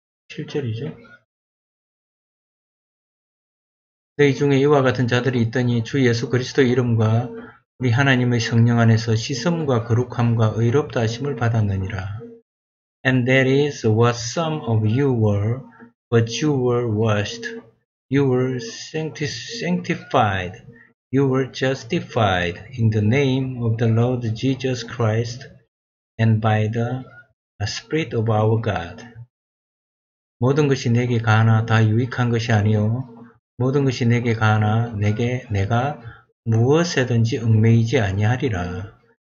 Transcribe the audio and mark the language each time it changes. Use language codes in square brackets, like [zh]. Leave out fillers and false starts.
[ko] 7절이죠? 너희 중에 이와 같은 자들이 있더니 주 예수 그리스도 이름과 우리 하나님의 성령 안에서 씻음과 거룩함과 의롭다 하심을 받았느니라. [en] And that is what some of you were, but you were washed, you were sanctified, you were justified in the name of the Lord Jesus Christ and by the Spirit of our God. [ko] 모든 것이 내게 가나 다 유익한 것이 아니오. 모든 것이 내게 가나 내가 무엇에든지 얽매이지 아니하리라.